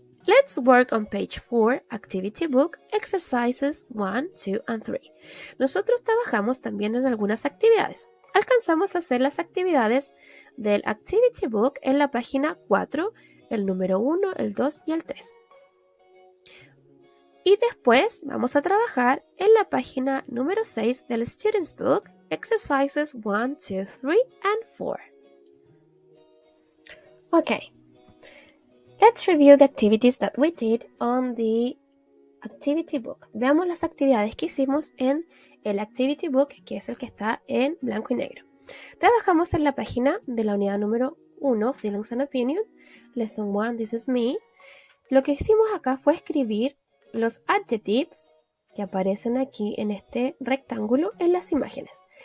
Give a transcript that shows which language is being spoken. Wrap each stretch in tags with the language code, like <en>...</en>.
<en>Let's work on page 4, Activity Book, Exercises 1, 2, and 3.</en> <es>Nosotros trabajamos también en algunas actividades. Alcanzamos a hacer las actividades del Activity Book en la página 4, el número 1, el 2 y el 3. Y después vamos a trabajar en la página número 6 del Students Book,</es> <en>Exercises 1, 2, 3, and 4. Okay. Let's review the activities that we did on the activity book.</en> <es>Veamos las actividades que hicimos en el activity book, que es el que está en blanco y negro. Trabajamos en la página de la unidad número 1, Feelings and Opinion, Lesson 1, This is Me. Lo que hicimos acá fue escribir los adjectives que aparecen aquí en este rectángulo en las imágenes.</es>